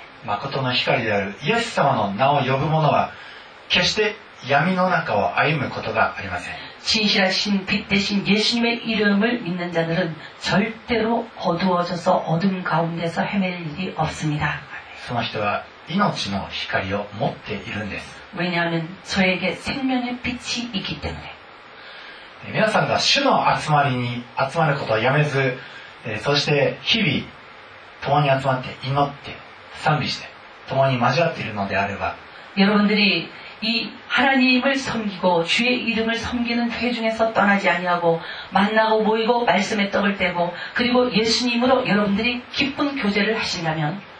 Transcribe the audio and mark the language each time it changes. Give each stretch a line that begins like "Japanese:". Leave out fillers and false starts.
Japanese: まことの光であるイエス様の名を呼ぶものは決して闇の中を歩むことがありません。
Korean: 진실하신빛되신예수님의이름을믿는자들은절대로어두워져서어둠가운데서헤맬일이없습니다
Japanese: その人は命の光を持っているんです。
Korean: 왜냐하면저에게생명의빛이있기때문에
Japanese: 皆さんが主の集まりに集まることをやめず、そして日々共に集まって祈って賛美して共に交わっているのであれば
Korean: 여러분들이이하나님을섬기고주의이름을섬기는회중에서떠나지아니하고만나고모이고말씀의떡을떼고그리고예수님으로여러분들이기쁜교제를하신다면